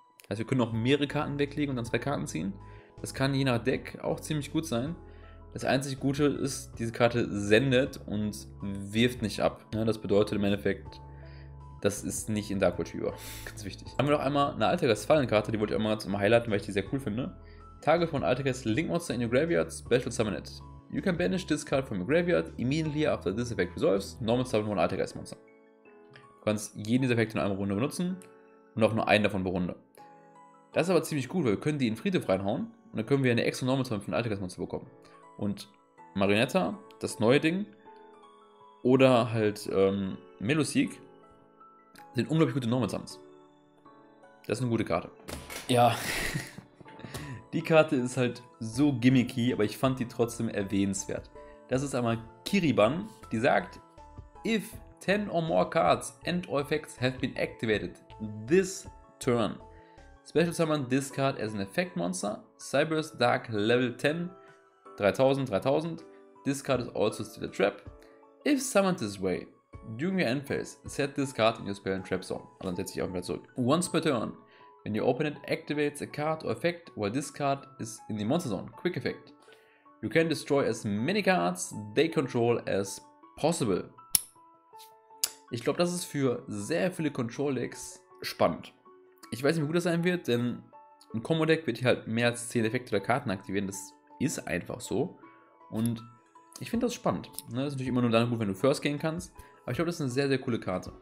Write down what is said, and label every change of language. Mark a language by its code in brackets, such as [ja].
[de] Das heißt, wir können auch mehrere Karten weglegen und dann zwei Karten ziehen. Das kann je nach Deck auch ziemlich gut sein. Das einzig Gute ist, diese Karte sendet und wirft nicht ab. Ja, das bedeutet im Endeffekt, das ist nicht in Dark World spielbar. Ganz wichtig. Dann haben wir noch einmal eine Altergeist Fallenkarte, die wollte ich immer zum Highlighten, weil ich die sehr cool finde. [en] Target von Altergeist Link Monster in your Graveyard, Special Summon it. You can banish this card from your Graveyard immediately after this effect resolves. Normal Summon von Altergeist Monster. [de] Du kannst jeden dieser Effekte in einer Runde benutzen und auch nur einen davon pro Runde. Das ist aber ziemlich gut, weil wir können die in Friedhof reinhauen und dann können wir eine extra Normal Summon von Altergeist Monster bekommen. Und Marionetta, das neue Ding, oder halt Melusik. Sind unglaublich gute Normal Summons. Das ist eine gute Karte. Ja, die Karte ist halt so gimmicky, aber ich fand die trotzdem erwähnenswert. Das ist einmal Kiriban, die sagt, [en] if 10 or more cards and all effects have been activated this turn, special summon this card as an effect monster, Cyber's Dark Level 10, 3000, this card is also still a trap. If summoned this way, during your end phase, set this card in your spell and trap zone. [de] Und dann setze ich auch wieder zurück. [en] Once per turn, when your opponent activates a card or effect while this card is in the monster zone, quick effect. You can destroy as many cards they control as possible. [de] Ich glaube, das ist für sehr viele Control-Decks spannend. Ich weiß nicht, wie gut das sein wird, denn ein Combo-Deck wird hier halt mehr als 10 Effekte oder Karten aktivieren. Das ist einfach so. Und ich finde das spannend. Das ist natürlich immer nur dann gut, wenn du First gehen kannst. Aber ich glaube, das ist eine sehr, sehr coole Karte.